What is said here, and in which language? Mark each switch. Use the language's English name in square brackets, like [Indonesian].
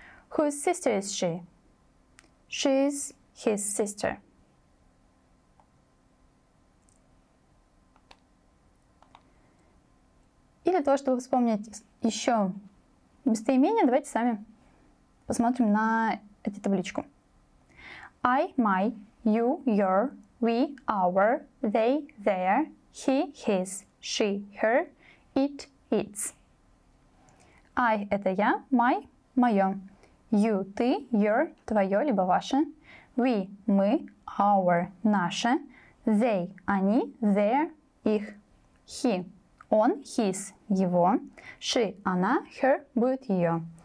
[English] Whose sister is she? She is his sister. [Russian] И для того, чтобы вспомнить еще местоимение, давайте сами посмотрим на эту табличку. [English] I, my, you, your, we, our, they, their, he, his, she, her, it, its. [Russian] I – это я, my – мое, you – ты, your – твое, либо ваше, we – мы, our – наше, they – они, their – их, he – он, his – его, she – она, her – будет ее.